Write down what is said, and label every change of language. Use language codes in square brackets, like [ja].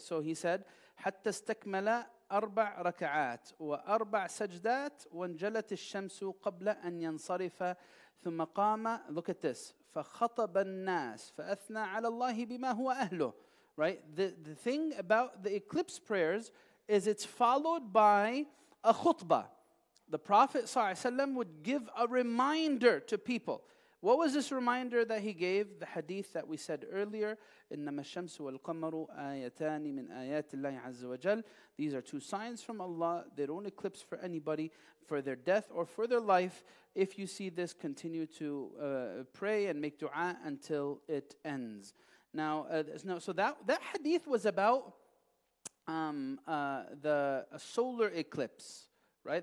[en] So he said, [ar] حَتَّى اسْتَكْمَلَ أربع ركعات وأربع سجدات وانجلت الشمس قبل أن ينصرف ثم قام. [en] Look at this. [ar] فخطب الناس فأثنى على الله بما هو أهله. [en] Right. The thing about the eclipse prayers is it's followed by a khutbah. The Prophet صلى الله عليه وسلم would give a reminder to people. What was this reminder that he gave? The hadith that we said earlier, [ar] إنما الشمس والقمر آيتان من آيات الله عز وجل. [en] These are two signs from Allah. They don't eclipse for anybody, for their death or for their life. If you see this, continue to pray and make dua until it ends. Now, so that hadith was about the solar eclipse, right?